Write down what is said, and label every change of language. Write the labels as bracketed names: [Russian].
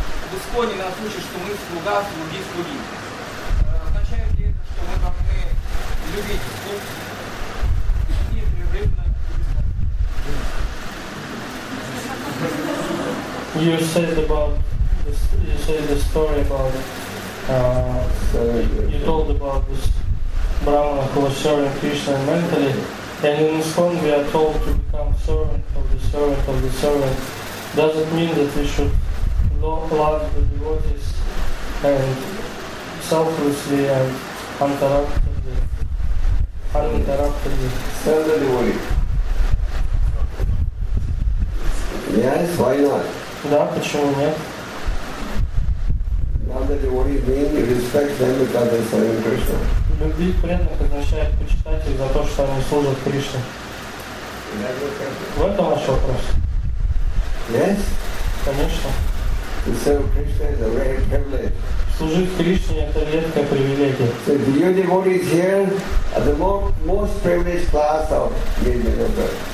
[Russian] В Исконе нас учат, что мы слуга, слуги, слуги. Означает ли это, что мы должны любить слуг и непрерывно любить? [English] You said about this, you said the story about you told about this Brahmana who was serving Krishna mentally, and in Iskon we are told to become servant of the servant of the servant. Does it mean that we should love the devotees and selflessly and uninterruptedly. Serve the devotee. Yes, why not? [Russian] Да, почему нет? [English] Love the devotee means you respect them because they serve Krishna. [Russian] Любить преданных означает почитать их за то, что они служат Кришне. В этом ваш вопрос. [English] Yes? [Russian] Конечно. [English] To serve Krishna is a rare privilege. [Russian] Служить Кришне – это редкое привилегие. [English] So if your devotees here are the most privileged class of Нижнего Новгорода.